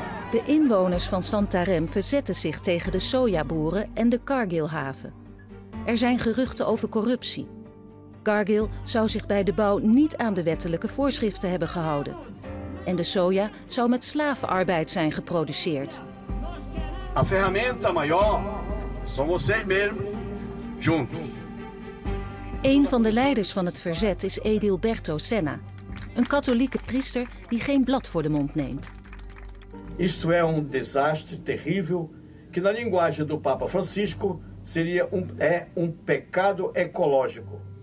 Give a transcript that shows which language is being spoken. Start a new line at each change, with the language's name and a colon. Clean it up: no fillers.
Dutch: De inwoners van Santarém verzetten zich tegen de sojaboeren en de Cargill-haven. Er zijn geruchten over corruptie. Cargill zou zich bij de bouw niet aan de wettelijke voorschriften hebben gehouden. En de soja zou met slavenarbeid zijn geproduceerd.
Portuguese: A ferramenta maior são vocês mesmo, juntos.
Dutch: Een van de leiders van het verzet is Edilberto Senna. Een katholieke priester die geen blad voor de mond neemt.
Portuguese: Isto é um desastre terrível que na linguagem do Papa Francisco seria um pecado ecológico.